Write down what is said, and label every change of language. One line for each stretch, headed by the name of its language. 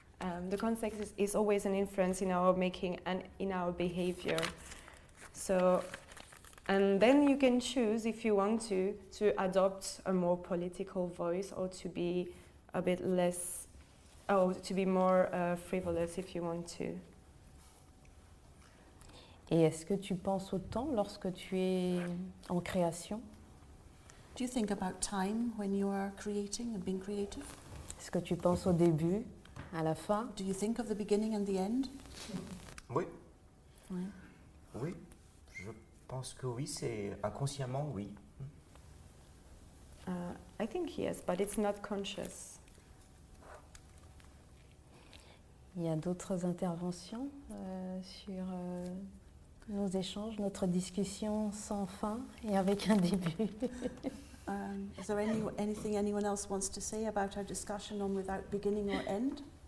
English: The context is always an influence in our making and in our behavior. So, and then you can choose if you want to adopt a more political voice or to be a bit less, or to be more frivolous if you want to.
French: Et est-ce que tu penses au temps lorsque tu es en création?
English: Do you think about time when you are creating and being creative?
French: Est-ce que tu penses au début, à la fin?
English: Do you think of the beginning and the end?
French: Oui. Oui. Oui. Je pense que oui, c'est inconsciemment oui.
English: I think yes, but it's not conscious.
French: Il y a d'autres interventions sur nos échanges, notre discussion sans fin et avec un début.
English: Is there anything anyone else wants to say about our discussion on without beginning or end?